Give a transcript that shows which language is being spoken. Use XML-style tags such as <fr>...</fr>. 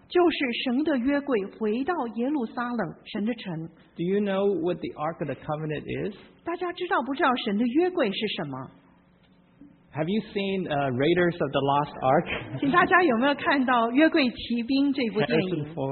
<zh>就是神的约柜回到耶路撒冷，神的城。</zh> <en>Do you know what the Ark of the Covenant is?</en> <zh>大家知道不知道神的约柜是什么？</zh> <en>Have you seen Raiders of the Lost Ark?</en> <zh>请大家有没有看到《约柜骑兵》这部电影？</zh>